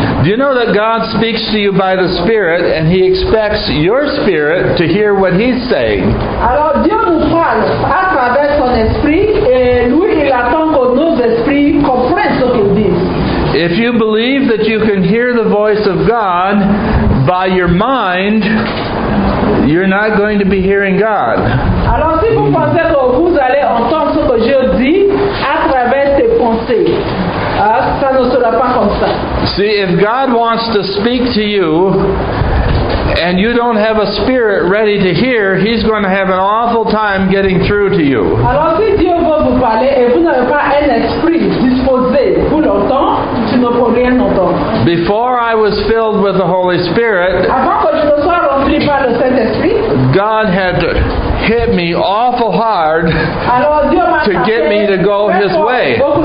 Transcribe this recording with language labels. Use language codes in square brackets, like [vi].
[en] Do you know that God speaks to you by the Spirit, and He expects your spirit to hear what He's saying? [fr] Alors Dieu nous parle à travers son esprit, et lui il attend que nos esprits comprennent ce qu'il dit. [en] If you believe that you can hear the voice of God by your mind, you're not going to be hearing God. [fr] Alors si vous pensez que vous allez entendre ce que je dis à travers tes pensées, ça ne sera pas comme ça. [en] See, if God wants to speak to you and you don't have a spirit ready to hear, He's going to have an awful time getting through to you. [fr] Alors si Dieu veut vous parler et vous n'avez pas un esprit disposé pour l'entendre, tu ne peux rien entendre. [en] Before I was filled with the Holy Spirit, [fr] avant que je ne sois rempli par le Saint-Esprit, [en] God had hit me awful hard to get me to go His way.